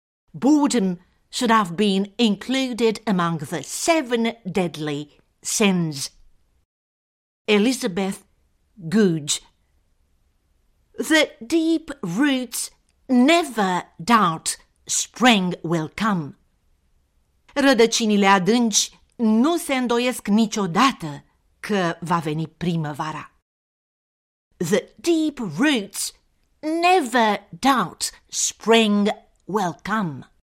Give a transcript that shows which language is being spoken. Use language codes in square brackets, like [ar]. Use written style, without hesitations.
[en] Boredom should have been included among the 7 deadly sins. Elizabeth Googe. The deep roots never doubt spring will come. [ro] Rădăcinile adânci nu se îndoiesc niciodată că va veni primăvara. [en] The deep roots never doubt spring will come.